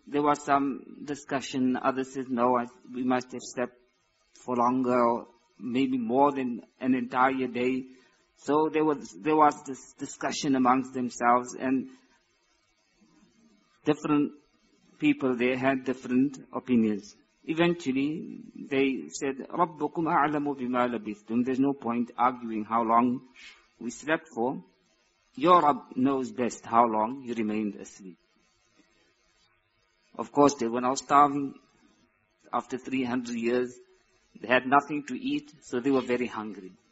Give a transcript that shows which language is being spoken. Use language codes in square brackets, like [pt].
[en] There was some discussion. Others said, no, we must have slept for longer, or maybe more than an entire day. So there was this discussion amongst themselves, and different people, they had different opinions. Eventually, they said, [ar] رَبُّكُمْ أَعْلَمُ بِمَا لَبِثْتُمْ. [en] There's no point arguing how long we slept for. Your Rabb knows best how long you remained asleep. Of course, they were now starving. After 300 years, they had nothing to eat, so they were very hungry.